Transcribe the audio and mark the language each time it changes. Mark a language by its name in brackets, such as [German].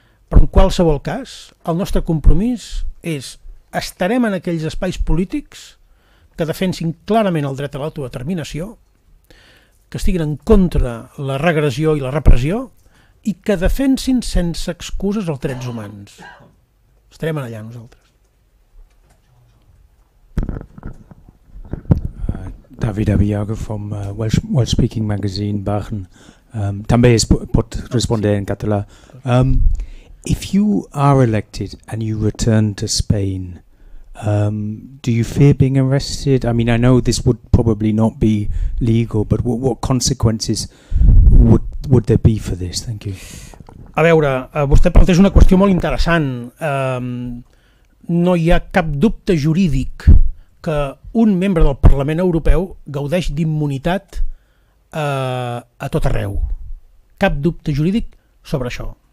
[Catalan] Però en qualsevol cas, el nostre compromís és estarem en aquells espais polítics que defensin clarament el dret a l'autodeterminació, que estiguin en contra la regressió i la repressió i que defensin sense excuses els drets humans. Estarem allà nosaltres. [English] David Abiaga from Welsh Speaking Magazine, Bachen. [Catalan] També es pot respondre en català. [English] If you are elected and you return to Spain, do you fear being arrested? I mean, I know this would probably not be legal, but what consequences would there be for this? Thank you. [Catalan] A veure, vostè planteja una qüestió molt interessant. No hi ha cap dubte jurídic que un membre del Parlament Europeu gaudeix d'immunitat a tot arreu. Cap dubte jurídic sobre això.